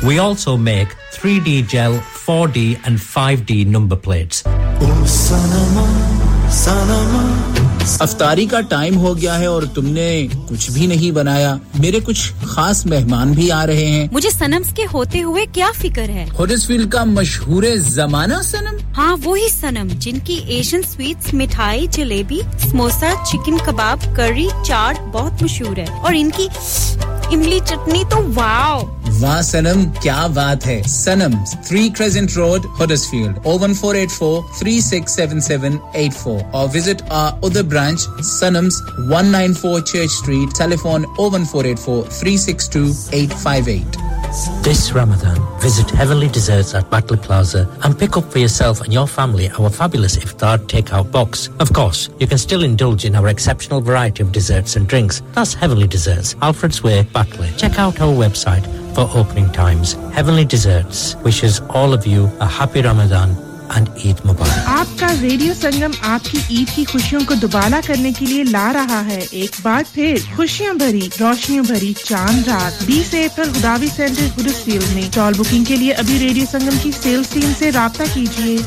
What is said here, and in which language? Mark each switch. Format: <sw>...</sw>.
<en>We also make 3D gel, 4D and 5D number plates.</en> <hi>Oh, sanama, sanama. अफ्तारी का time हो गया है और तुमने कुछ भी नहीं बनाया मेरे कुछ खास मेहमान भी आ रहे हैं मुझे सनम्स के होते हुए क्या फिक्र है हडर्सफील्ड का मशहूर जमाना सनम हाँ वो ही सनम जिनकी एशियन स्वीट्स मिठाई जलेबी समोसा चिकन कबाब करी चाट बहुत मशहूर है और इनकी इमली चटनी तो वाव वाह सनम क्या बात है सनम्स 3 क्रेसेंट रोड हडर्सफील्ड 01484 367784 और</hi> <en>Visit our branch Sunnams 194 Church Street telephone 01484 362 858. This Ramadan visit Heavenly Desserts at Batley Plaza and pick up for yourself and your family our fabulous iftar takeout box. Of course you can still indulge in our exceptional variety of desserts and drinks. That's Heavenly Desserts Alfred's Way Batley. Check out our website for opening times. Heavenly Desserts wishes all of you a happy Ramadan and Eid Mubarak.</en> <hi>आपका radio संगम आपकी ईद की खुशियों को दुबाला करने के लिए ला रहा है एक बार फिर खुशियां भरी रोशनियों भरी चांद रात 20 अप्रैल गुदावी सेंटर हडर्सफील्ड में टॉल बुकिंग के लिए अभी रेडियो संगम की सेल्स टीम से राबता कीजिए</hi>